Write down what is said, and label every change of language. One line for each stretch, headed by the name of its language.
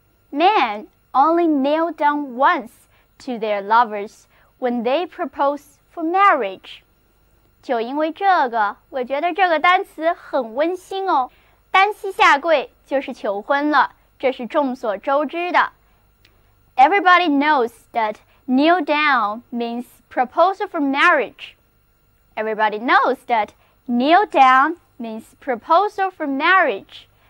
English: Men only kneel down once to their lovers when they propose for marriage.
Chinese: 就因为这个，我觉得这个单词很温馨哦。单膝下跪就是求婚了，这是众所周知的。
English: Everybody knows that kneel down means proposal for marriage. Everybody knows that kneel down means proposal for marriage.